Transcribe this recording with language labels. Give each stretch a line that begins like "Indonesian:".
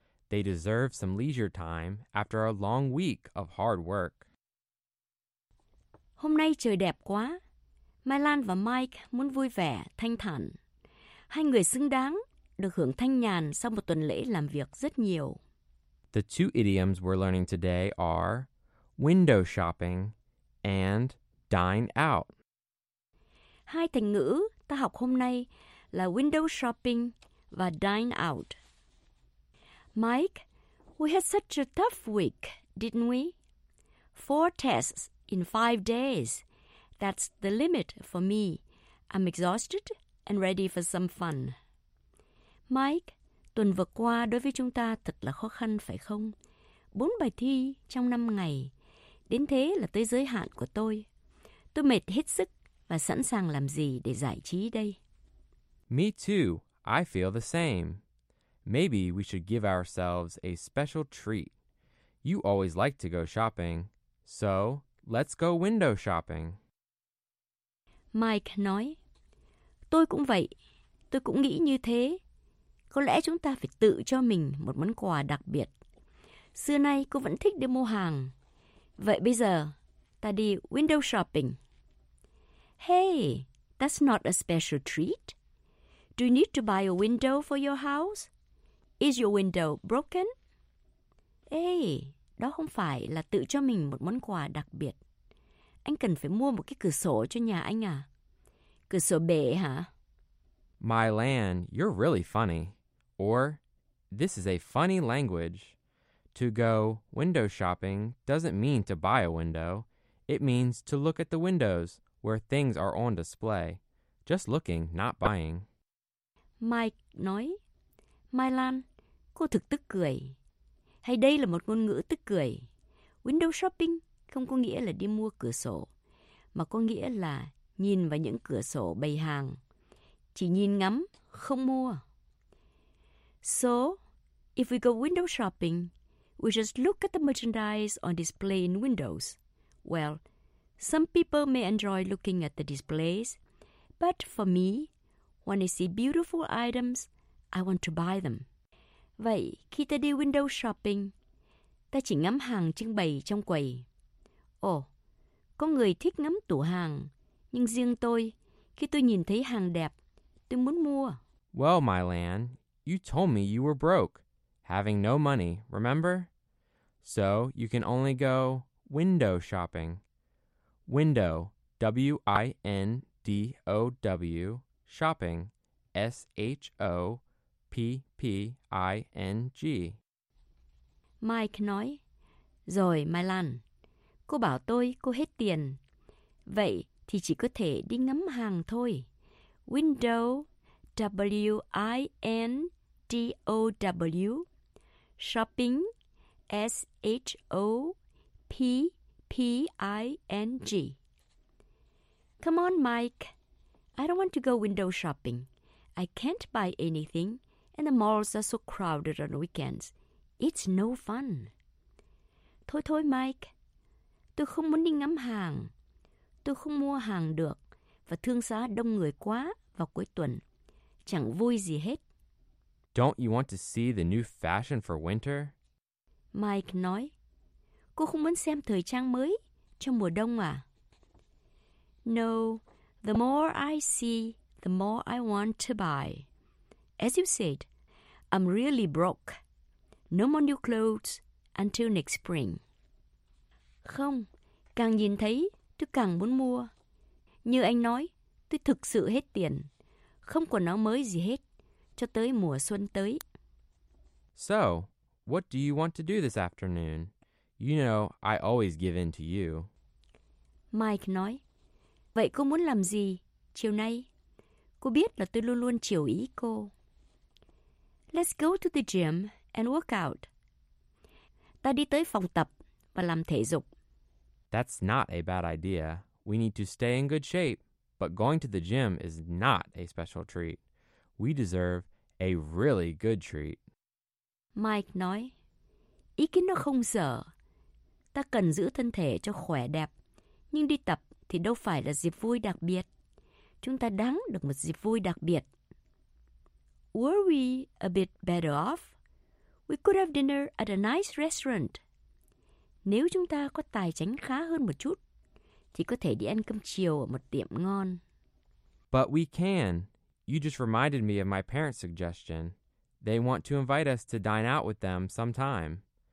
English: They deserve some leisure time after a long week of hard work.
Vietnamese: Hôm nay trời đẹp quá. Mylan và Mike muốn vui vẻ, thanh thản. Hai người xứng đáng được hưởng thanh nhàn sau một tuần lễ làm việc rất nhiều.
English: The two idioms we're learning today are window shopping and dine out.
Vietnamese: Hai thành ngữ ta học hôm nay là window shopping và dine out.
English: Mike, we had such a tough week, didn't we? 4 tests in 5 days. That's the limit for me. I'm exhausted and ready for some fun.
Vietnamese: Mike, tuần vừa qua đối với chúng ta thật là khó khăn phải không? 4 bài thi trong 5 ngày. Đến thế là tới giới hạn của tôi. Tôi mệt hết sức và sẵn sàng làm gì để giải trí đây?
English: Me too. I feel the same. Maybe we should give ourselves a special treat. You always like to go shopping. So, let's go window shopping.
Vietnamese: Mike nói, tôi cũng vậy. Tôi cũng nghĩ như thế. Có lẽ chúng ta phải tự cho mình một món quà đặc biệt. Xưa nay cô vẫn thích đi mua hàng. Vậy bây giờ, ta đi window shopping.
English: Hey, that's not a special treat. Do you need to buy a window for your house? Is your window broken?
Vietnamese: Hey, đó không phải là tự cho mình một món quà đặc biệt. Anh cần phải mua một cái cửa sổ cho nhà anh à? Cửa sổ bể hả?
English: My land, you're really funny. Or, this is a funny language. To go window shopping doesn't mean to buy a window. It means to look at the windows where things are on display. Just looking, not buying.
Vietnamese: Mike nói, My Lan, cô thực tức cười. Hay đây là một ngôn ngữ tức cười. Window shopping không có nghĩa là đi mua cửa sổ, mà có nghĩa là nhìn vào những cửa sổ bày hàng. Chỉ nhìn ngắm, không mua.
English: So, if we go window shopping, we just look at the merchandise on display in windows. Well, some people may enjoy looking at the displays, but for me, when I see beautiful items, I want to buy them.
Vietnamese: Vậy, khi ta đi window shopping, ta chỉ ngắm hàng trưng bày trong quầy. Ồ, có người thích ngắm tủ hàng, nhưng riêng tôi, khi tôi nhìn thấy hàng đẹp, tôi muốn mua.
English: Well, my Lan, you told me you were broke, having no money, remember? So, you can only go window shopping. Window, W-I-N-D-O-W, shopping, S-H-O-P-P-I-N-G.
Vietnamese: Mike nói, rồi, my Lan, cô bảo tôi cô hết tiền. Vậy thì chỉ có thể đi ngắm hàng thôi.
English: Window, W-I-N-D-O-W, shopping, S-H-O-P-P-I-N-G. Come on, Mike. I don't want to go window shopping. I can't buy anything, and the malls are so crowded on weekends. It's no fun.
Vietnamese: Thôi thôi,
English: Mike.
Vietnamese: Tôi không muốn đi ngắm hàng. Tôi không mua hàng được, và thương xá đông người quá vào cuối tuần. Chẳng vui gì hết.
English: Don't you want to see the new fashion for winter?
Vietnamese: Mike nói, cô không muốn xem thời trang mới cho mùa đông à?
English: No, the more I see, the more I want to buy. As you said, I'm really broke. No more new clothes until next spring.
Vietnamese: Không, càng nhìn thấy, tôi càng muốn mua. Như anh nói, tôi thực sự hết tiền. Không quần áo mới gì hết, cho tới mùa xuân tới.
English: So, what do you want to do this afternoon? You know, I always give in to you.
Vietnamese: Mike nói, vậy cô muốn làm gì chiều nay? Cô biết là tôi luôn luôn chiều ý cô.
English: Let's go to the gym and work out.
Vietnamese: Ta đi tới phòng tập và làm thể dục.
English: That's not a bad idea. We need to stay in good shape. But going to the gym is not a special treat. We deserve a really good treat.
Vietnamese: Mike nói, ý kiến nó không dở. Ta cần giữ thân thể cho khỏe đẹp. Nhưng đi tập thì đâu phải là dịp vui đặc biệt. Chúng ta đáng được một dịp vui đặc biệt.
English: Were we a bit better off? We could have dinner at a nice restaurant.
Vietnamese: Nếu chúng ta có tài chính khá hơn một chút, thì có thể đi ăn cơm chiều ở một tiệm ngon.
English: But we can. You just reminded me of my parents' suggestion. They want to invite us to dine out with them sometime.